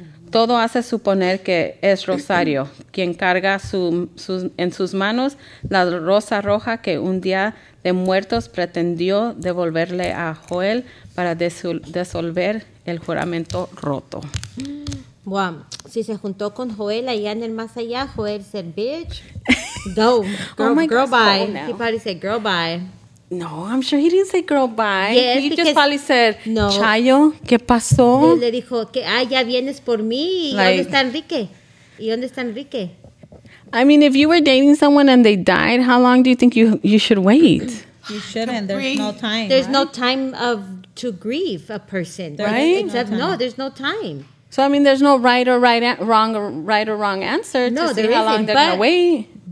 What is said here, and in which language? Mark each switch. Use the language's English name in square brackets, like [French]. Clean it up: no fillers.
[Spanish] Todo hace suponer que es Rosario quien carga en sus manos la rosa roja que un día de muertos pretendió devolverle a Joel para disolver el juramento roto. [English] Wow. [Spanish] Si se juntó con Joel allá en el más allá, Joel [English] said, bitch, go. Girl, bye. He probably said, girl, bye. No, I'm sure he didn't say girl bye. Yes, he just probably said, no. Chayo, [Spanish] ¿qué pasó? Él le dijo que, ya vienes por mí. Like, ¿y dónde está Enrique? ¿Y dónde está Enrique? [English] I mean, if you were dating someone and they died, how long do you think you should wait? You shouldn't. There's no time. There's right? no time of to grieve a person. Right? Except, no, there's no time. So, I mean, there's no right or wrong answer to see how long they're going to wait.